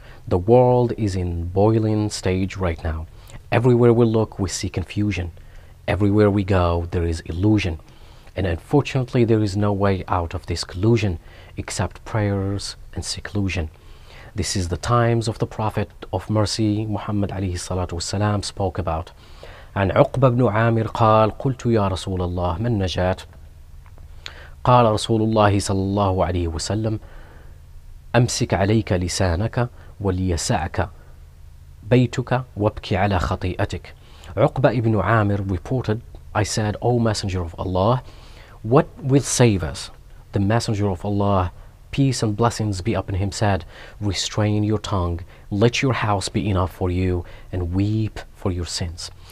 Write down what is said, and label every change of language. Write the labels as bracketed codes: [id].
[en] The world is in boiling stage right now. Everywhere we look, we see confusion. Everywhere we go, there is illusion. And unfortunately, there is no way out of this collusion except prayers and seclusion. This is the times of the Prophet of Mercy, Muhammad alayhi salatu wasalam, spoke about. [ar] عن عقبة بن عامر قال قلت يا رسول الله من نجات قال رسول الله صلى الله عليه وسلم أمسك عليك لسانك وليسعك بيتك وابكي على خطيئتك. [en] عقبة بن عامر reported, I said, O Messenger of Allah, what will save us? The Messenger of Allah, peace and blessings be upon him, said, restrain your tongue, let your house be enough for you, and weep for your sins.